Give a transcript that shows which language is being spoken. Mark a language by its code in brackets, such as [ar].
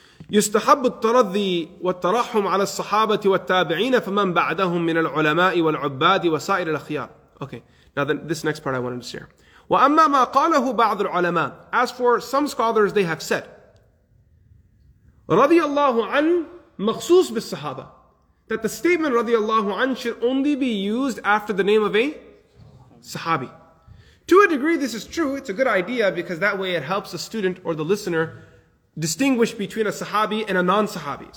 [ar] يستحب الترضي والترحم على الصحابة والتابعين فمن بعدهم من العلماء والعباد وسائر الأخيار. [en] Okay, now this next part I wanted to share. [ar] وأما ما قاله بعض العلماء. [en] As for some scholars, they have said, [ar] رضي الله عن مخصوص بالصحابة. [en] That the statement [ar] رضي الله عن [en] should only be used after the name of a صحابي. To a degree, this is true. It's a good idea because that way it helps the student or the listener distinguish between a sahabi and a non-sahabi.